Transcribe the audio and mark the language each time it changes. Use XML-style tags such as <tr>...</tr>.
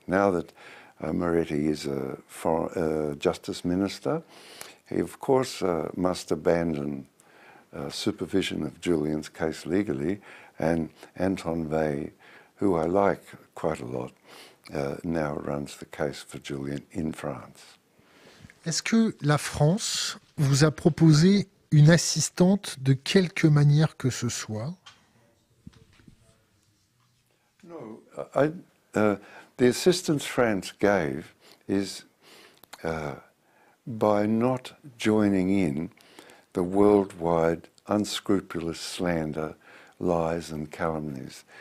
<en>Now that Moretti is a foreign, justice minister, he of course must abandon supervision of Julian's case legally, and Antoine Bay, who I like quite a lot, now runs the case for Julian in France.</en> <fr>Est-ce que la France vous a proposé une assistante de quelque manière que ce soit?</fr> <en>No, the assistance France gave is by not joining in the worldwide unscrupulous slander, lies and calumnies.</en>